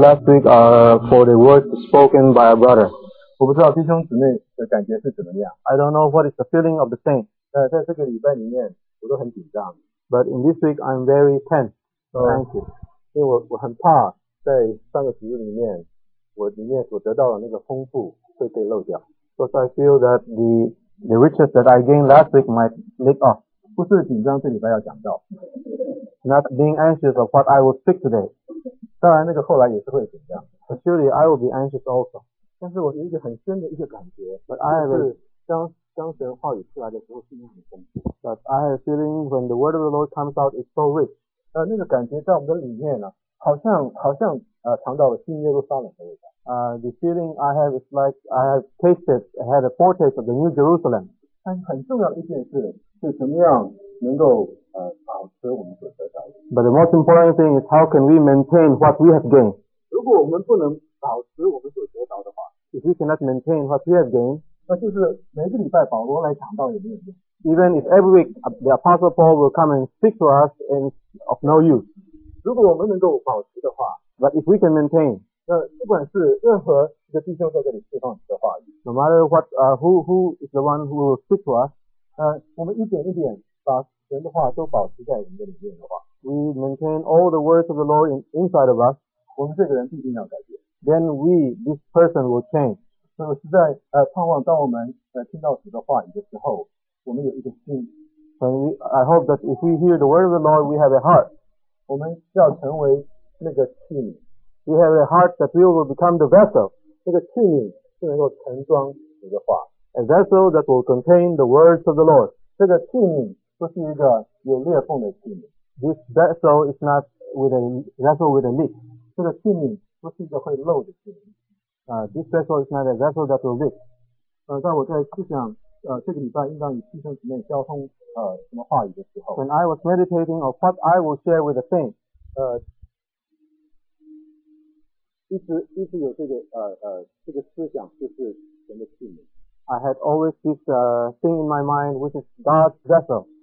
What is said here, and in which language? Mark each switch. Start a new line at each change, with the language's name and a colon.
English: Last week, for the words spoken by a brother.
Chinese: 我不知道弟兄姊妹的感觉是怎么样。
English: I don't know what is the feeling of the saint.
Chinese: 在这个礼拜里面，我都很紧张。
English: But in this week, I'm very tense. Thank you.
Chinese: 因为我很怕在上个主日里面，我里面所得到的那个丰富会被漏掉。
English: Because I feel that the riches that I gained last week might leak off.
Chinese: 不是紧张这礼拜要讲到。
English: Not being anxious of what I will speak today.
Chinese: 当然那个后来也是会紧张。
English: But surely I will be anxious also.
Chinese: 但是我有一个很深的一个感觉。
English: But I have a,
Chinese: 当神话语出来的时候是一个很深。
English: But I have a feeling when the word of the Lord comes out is so rich.
Chinese: 那个感觉在我们的里面呢好像尝到了新耶路撒冷的味道。
English: The feeling I have is like I have tasted, I had a foretaste of the New Jerusalem.
Chinese: 但很重要的一件事是怎么样能够保持我们所得到的。
English: But the most important thing is how can we maintain what we have gained.
Chinese: 如果我们不能保持我们所得到的话，
English: If we cannot maintain what we have gained,
Chinese: 那就是每个礼拜保罗来讲到也没有用。
English: Even if every week the Apostle Paul will come and speak to us and of no use.
Chinese: 如果我们能够保持的话，
English: But if we can maintain,
Chinese: 那不管是任何一个弟兄在这里释放的话语
English: ，No matter what, who is the one who will speak to us,
Chinese: 我们一点一点把神的话都保持在我们的里面的话
English: ，We maintain all the words of the Lord inside of us.
Chinese: 我们这个人必定要改变。
English: Then we, this person will change.
Chinese: 所以我实在盼望，当我们听到主的话语的时候，我们有一个心。
English: I hope that if we hear the word of the Lord, we have a heart.
Chinese: 我们要成为那个器皿。
English: We have a heart that we will become the vessel.
Chinese: 那个器皿是能够盛装主的话。
English: A vessel that will contain the words of the Lord.
Chinese: 这个器皿不是一个有裂缝的器皿。
English: This vessel is not with a vessel with a leak.
Chinese: 这个器皿不是一个会漏的器皿。
English: This vessel is not a vessel that will leak.
Chinese: 在我在思想这个礼拜应当与弟兄姊妹交通什么话语的时候。
English: When I was meditating on what I will share with the saints,
Chinese: 一直有这个思想就是神的器皿。
English: I had always this thing in my mind, which is God's vessel.